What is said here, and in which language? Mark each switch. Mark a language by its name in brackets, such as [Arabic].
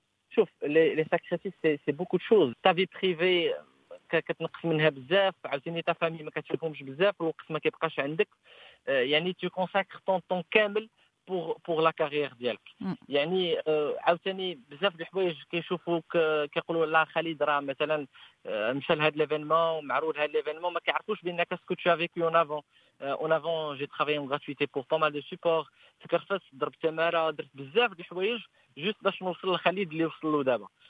[Arabic] شوف, [French] les sacrifices c'est beaucoup de choses. Ta vie privée [Arabic] كتنقص منها بزاف, عاوتاني [French] ta famille [Arabic] ما كتشوفهمش بزاف, الوقت ما كيبقاش عندك. يعني [French] tu consacres ton temps [Arabic] كامل [French] pour la carrière [Arabic] ديالك. يعني عاوتاني بزاف د الحوايج كيشوفوك كيقولوا لا خالد راه مثلا مشى لهاد ليفينمون ومعروض هاد ليفينمون ما كيعرفوش بانك كنتي [French] avec lui en avant j'ai travaillé en gratuité pour pas mal de support [Arabic] تكرفس ضربت تماره درت بزاف د الحوايج جوست باش نوصل لخالد اللي وصل له دابا.